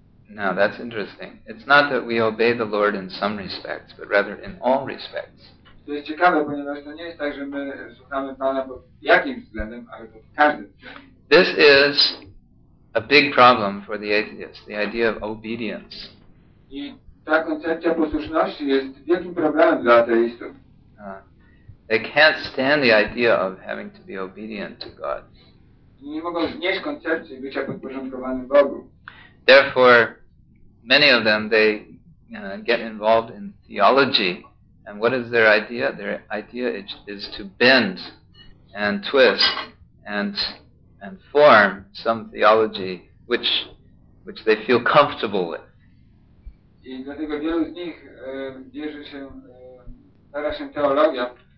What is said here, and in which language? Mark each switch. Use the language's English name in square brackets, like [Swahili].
[English] Now, that's interesting. It's not that we obey the Lord in some respects, but rather in all respects. [Polish] To jest ciekawe, ponieważ to nie jest tak, że my słuchamy Pana pod jakimś względem, ale pod każdym. [English] This is a big problem for the atheist, the idea of obedience. [Polish] I ta koncepcja posłuszności jest wielkim problemem dla ateistów. [English] They can't stand the idea of having to be obedient to God. [Polish] Nie mogą znieść koncepcji bycia podporządkowanym Bogu. [English] Therefore, many of them, they get involved in theology. And what is their idea? Their idea is to bend and twist and form some theology which they feel comfortable with. [Polish] I dlatego wielu z nich bierze się, stara się teologia.